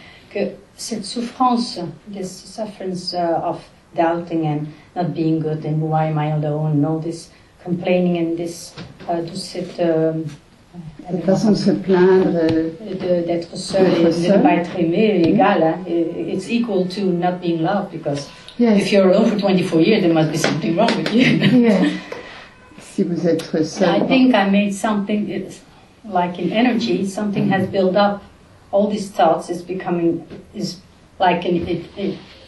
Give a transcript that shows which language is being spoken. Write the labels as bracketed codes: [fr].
[fr] Que cette souffrance, [en] this suffering of doubting and not being good and why am I alone, and all this complaining and this, [fr] de façon de se plaindre, d'être seul, de ne pas être aimé, égal. [en] Hein? It's equal to not being loved because yes. if you're alone for 24 years, there must be something wrong with you. [fr] Si vous êtes seul. [en] I think I made something like an energy. Something has built up. All these thoughts is like an entity.